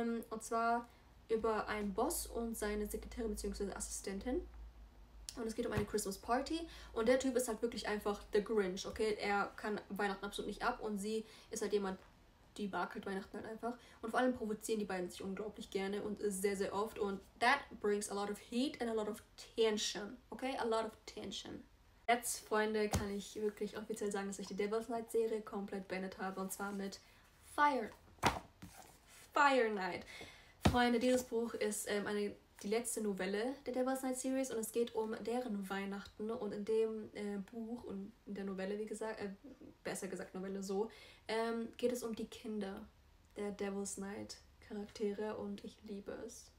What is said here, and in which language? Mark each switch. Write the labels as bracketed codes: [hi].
[de] Und zwar über einen Boss und seine Sekretärin bzw. Assistentin. Und es geht um eine Christmas-Party. Und der Typ ist halt wirklich einfach The Grinch, okay? Er kann Weihnachten absolut nicht ab, und sie ist halt jemand, die barkelt Weihnachten halt einfach. Und vor allem provozieren die beiden sich unglaublich gerne und sehr, sehr oft. [en] Und that brings a lot of heat and a lot of tension. Okay? A lot of tension. [de] Jetzt, Freunde, kann ich wirklich offiziell sagen, dass ich die Devil's Night Serie komplett beendet habe. Und zwar mit Fire Night. Freunde, dieses Buch ist die letzte Novelle der Devil's Night Series. Und es geht um deren Weihnachten. Und in dem Buch und in der Novelle, wie gesagt, besser gesagt Novelle so, geht es um die Kinder der Devil's Night Charaktere, und ich liebe es.